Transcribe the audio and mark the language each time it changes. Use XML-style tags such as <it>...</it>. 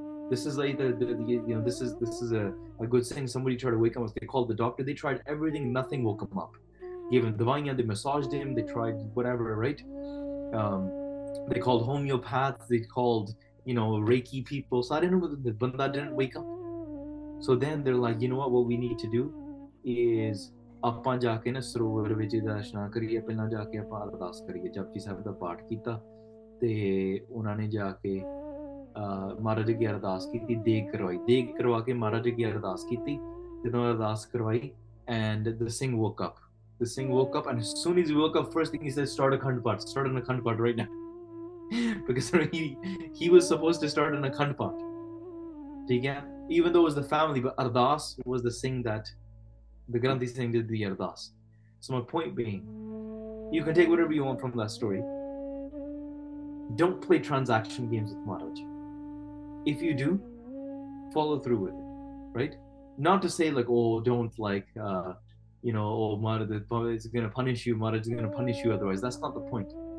<en>This is like this is a good thing. Somebody tried to wake him up, they called the doctor, they tried everything, nothing woke him up. Gave him divanya, they massaged him, they tried whatever, right? They called homeopaths, they called, you know, Reiki people. So I didn't know, but the Banda didn't wake up. So then they're like, you know what we need to do is</en> <pa>ਆਪਾਂ ਜਾ ਕੇ ਨਾ ਸਰੋਵਰ ਵਿੱਚ ਦਰਸ਼ਨਾ ਕਰੀਏ, ਪਹਿਲਾਂ ਜਾ ਕੇ ਆਪਾਂ ਅਰਦਾਸ ਕਰੀਏ, ਜਪਜੀ ਸਾਹਿਬ ਦਾ ਪਾਠ ਕੀਤਾ ਅਤੇ ਉਹਨਾਂ ਨੇ ਜਾ ਕੇ ਮਹਾਰਾਜ ਅੱਗੇ ਅਰਦਾਸ ਕੀਤੀ, ਦੇਗ ਕਰਵਾਈ, ਦੇਗ ਕਰਵਾ ਕੇ ਮਹਾਰਾਜ ਅੱਗੇ ਅਰਦਾਸ ਕੀਤੀ, ਜਦੋਂ ਅਰਦਾਸ ਕਰਵਾਈ</pa> <en>and the Singh woke up, the Singh woke up and son is woke up, first thing he says, start akhand path, start an akhand path right now, because he was supposed to start an akhand path,</en> <pa>ਠੀਕ ਹੈ,</pa> <en>Even though it was the family, but Ardas was the Singh that the Granthi Singh did the Ardas. So my point being, you can take whatever you want from that story. Don't play transaction games with Maharaj. If you do, follow through with it, right? Not to say like, oh, don't like, you know, oh, Maharaj is going to punish you, Maharaj is going to punish you otherwise. That's not the point.</en>